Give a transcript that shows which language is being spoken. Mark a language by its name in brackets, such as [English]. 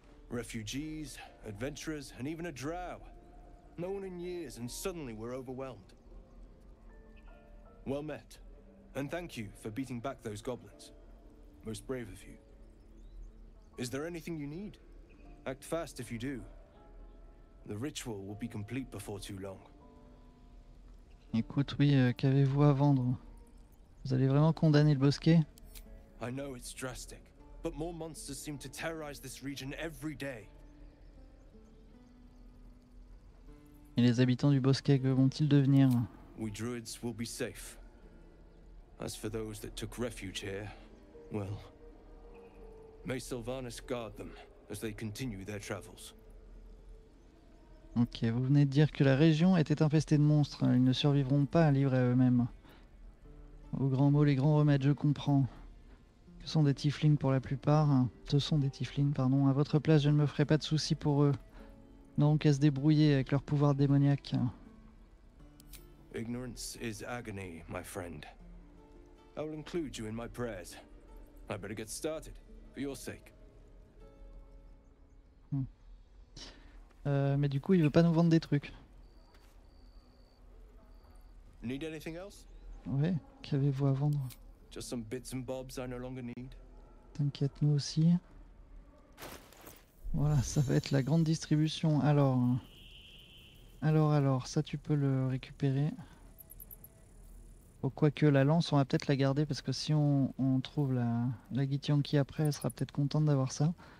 [French] Réfugiés, adventurers, et même un drow. [English] No one in years, and suddenly we're overwhelmed. Well met, and thank you for beating back those goblins. Most brave of you. Is there anything you need? Act fast if you do. The ritual will be complete before too long. [French] Écoute, oui, qu'avez-vous à vendre? Vous allez vraiment condamner le bosquet? [English] I know it's drastic, but more monsters seem to terrorize this region every day. [French] Et les habitants du bosquet, que vont-ils devenir? [English] We druids will be safe. As for those that took refuge here, well, may Sylvanas guard them as they continue their travels. [French] Ok, vous venez de dire que la région était infestée de monstres. Ils ne survivront pas, livrés à eux-mêmes. Au grand mot, les grands remèdes, je comprends. Ce sont des tieflings pour la plupart. Ce sont des tieflings, pardon. À votre place, je ne me ferai pas de soucis pour eux. Donc, à se débrouiller avec leur pouvoir démoniaque. [English] Ignorance is agony, my friend. I will include you in my prayers. I better get started, for your sake. [French] Mais du coup, il veut pas nous vendre des trucs. [English] Need anything else? [French] Ouais, qu'avez-vous à vendre? [English] Just some bits and bobs I no longer need. [French] T'inquiète, nous aussi. Voilà, ça va être la grande distribution. Alors, ça tu peux le récupérer. Bon, quoique la lance, on va peut-être la garder parce que si on trouve la Gitianki après, elle sera peut-être contente d'avoir ça.